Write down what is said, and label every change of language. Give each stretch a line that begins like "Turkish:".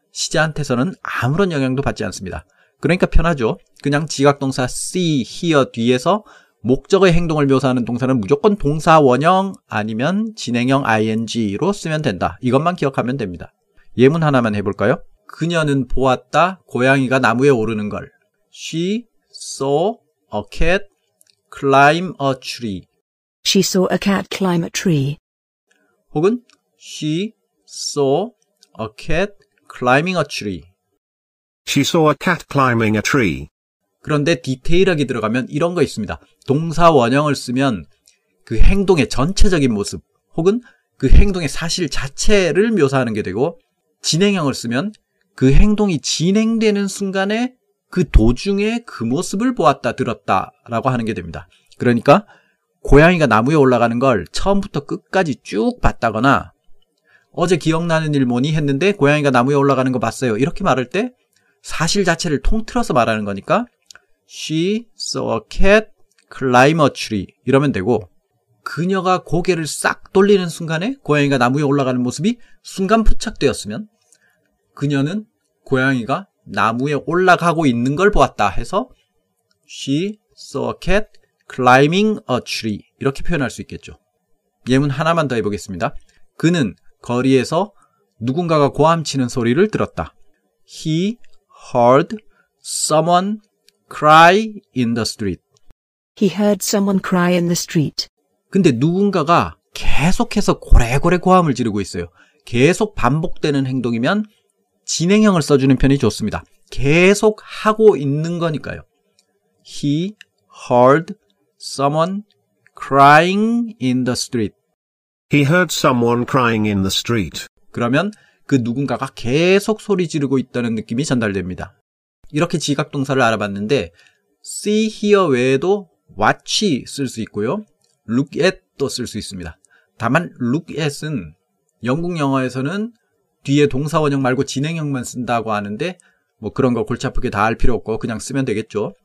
Korean: 시제한테서는 아무런 영향도 받지 않습니다. 그러니까 편하죠. 그냥 지각동사 see, hear 뒤에서 목적의 행동을 묘사하는 동사는 무조건 동사원형 아니면 진행형 ing로 쓰면 된다. 이것만 기억하면 됩니다. 예문 하나만 해볼까요? 그녀는 보았다, 고양이가 나무에 오르는 걸.
English: She saw a cat climb a tree. She saw a cat climb a tree.
Korean: 혹은
English: She saw a cat climbing a tree. She saw a cat climbing a tree.
Korean: 그런데 디테일하게 들어가면 이런 거 있습니다. 동사 원형을 쓰면 그 행동의 전체적인 모습 혹은 그 행동의 사실 자체를 묘사하는 게 되고 진행형을 쓰면 그 행동이 진행되는 순간에 그 도중에 그 모습을 보았다, 들었다 라고 하는 게 됩니다. 그러니까 고양이가 나무에 올라가는 걸 처음부터 끝까지 쭉 봤다거나 어제 기억나는 일 뭐니 했는데 고양이가 나무에 올라가는 거 봤어요 이렇게 말할 때 사실 자체를 통틀어서 말하는 거니까
English: She saw a cat climb a tree
Korean: 이러면 되고 그녀가 고개를 싹 돌리는 순간에 고양이가 나무 위에 올라가는 모습이 순간 포착되었으면 그녀는 고양이가 나무 위에 올라가고 있는 걸 보았다 해서
English: She saw a cat climbing a tree
Korean: 이렇게 표현할 수 있겠죠. 예문 하나만 더 해보겠습니다. 그는 거리에서 누군가가 고함치는 소리를 들었다.
English: He heard someone cry in the street. He heard someone cry in the street.
Korean: 근데 누군가가 계속해서 고래고래 고함을 지르고 있어요. 계속 반복되는 행동이면 진행형을 써주는 편이 좋습니다. 계속 하고 있는 거니까요.
English: He heard someone crying in the street. He heard someone crying in the street.
Korean: 그러면 그 누군가가 계속 소리 지르고 있다는 느낌이 전달됩니다. 이렇게 지각동사를 알아봤는데 see here 외에도 watch 쓸 수 있고요. look at도 쓸 수 있습니다. 다만 look at은 영국 영어에서는 뒤에 동사원형 말고 진행형만 쓴다고 하는데 뭐 그런 거 골치 아프게 다 할 필요 없고 그냥 쓰면 되겠죠.